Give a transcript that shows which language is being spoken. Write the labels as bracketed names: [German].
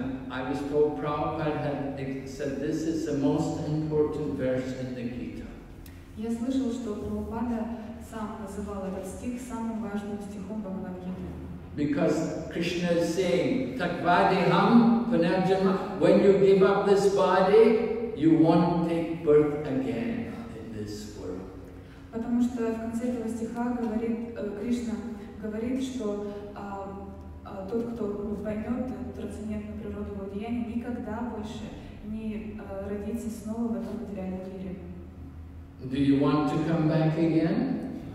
[English] I was told Prabhupada had said this is the most important verse in the Gita. [Russian] Я слышал, что Прабхупада сам называл этот стих самым важным стихом Бхагавад Гиты. [English] Because Krishna is saying [Sanskrit] tapadeham punarjanma, [English] when you give up this body, you won't take birth again in this world. [Russian] Потому что в конце этого стиха говорит Кришна говорит, что тот, кто поймет трансцендентную природу владения, никогда больше не родится снова в этом материальном мире. [English] Do you want to come back again?